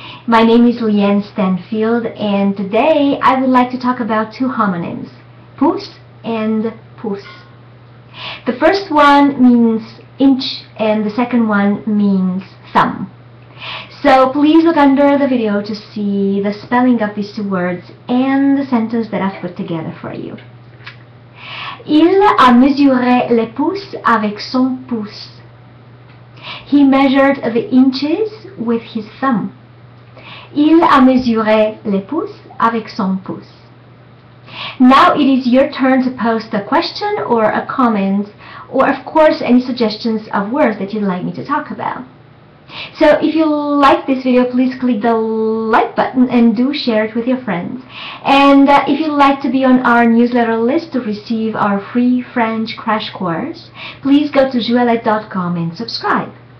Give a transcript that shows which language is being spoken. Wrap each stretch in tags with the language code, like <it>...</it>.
<en>My name is Llyane Stanfield and today I would like to talk about two homonyms, pouce and pouce. The first one means inch and the second one means thumb. So please look under the video to see the spelling of these two words and the sentence that I've put together for you.</en> <fr>Il a mesuré les pouces avec son pouce.</fr> <en>He measured the inches with his thumb.</en> <fr>Il a mesuré les pouces avec son pouce.</fr> <en>Now it is your turn to post a question or a comment, or of course any suggestions of words that you'd like me to talk about. So if you like this video, please click the like button and do share it with your friends. And if you'd like to be on our newsletter list to receive our free French crash course, please go to joëlette.com and subscribe.</en>